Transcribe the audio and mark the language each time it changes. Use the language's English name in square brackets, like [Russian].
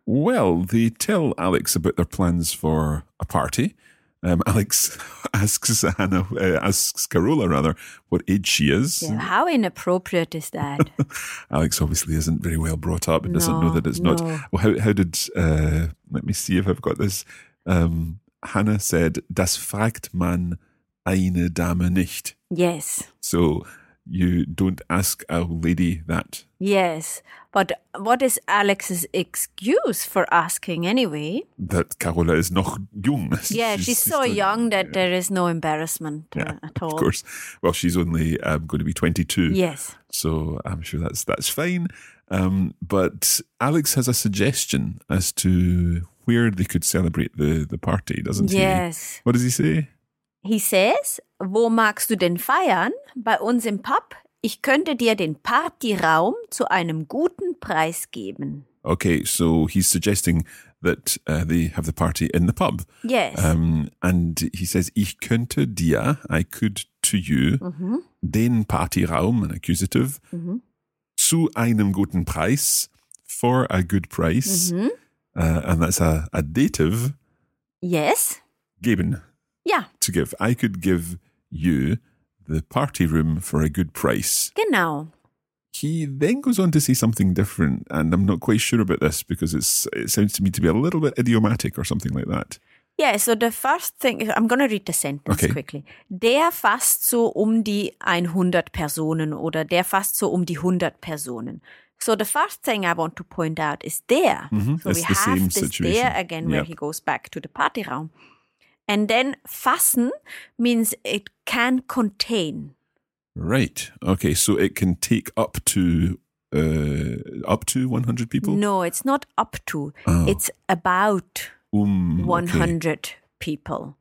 [English] Well, they tell Alex about their plans for a party. Alex asks Hannah, asks Carola rather, what age she is. Yeah, how inappropriate is that? Alex obviously isn't very well brought up and doesn't know that it's not. Well, how did, let me see if I've got this. Hannah said, [German] das fragt man eine Dame nicht. [English] Yes. So you don't ask a lady that. Yes. But what is Alex's excuse for asking anyway? That Carola is [German] noch jung. [English] Yeah, she's so still, young that there is no embarrassment at all. Of course. Well, she's only going to be 22. Yes. So I'm sure that's fine. But Alex has a suggestion as to where they could celebrate the party, doesn't he? Yes. What does he say? He says, [German] wo magst du denn feiern? Bei uns im Pub. Ich könnte dir den Partyraum zu einem guten Preis geben. [English] Okay, so he's suggesting that they have the party in the pub. Yes. And he says, [German] ich könnte dir, [English] I could to you, [German] den Partyraum, [English] an accusative, [German] zu einem guten Preis, [English] for a good price. And that's a dative. Yes. [German] Geben. [English] Yeah. To give. I could give you the party room for a good price. [German] Genau. [English] He then goes on to say something different, and I'm not quite sure about this because it sounds to me to be a little bit idiomatic or something like that. Yeah, so the first thing, I'm going to read the sentence quickly. [German] Der fasst so um die 100 Personen oder der fasst so um die 100 Personen. [English] So the first thing I want to point out is der. Mm-hmm. So it's we the have same this situation. There again yep. where he goes back to the party room. And then fassen means it can contain. Right. Okay. So it can take up to 100 people? No, it's not up to. Oh. It's about 100 people.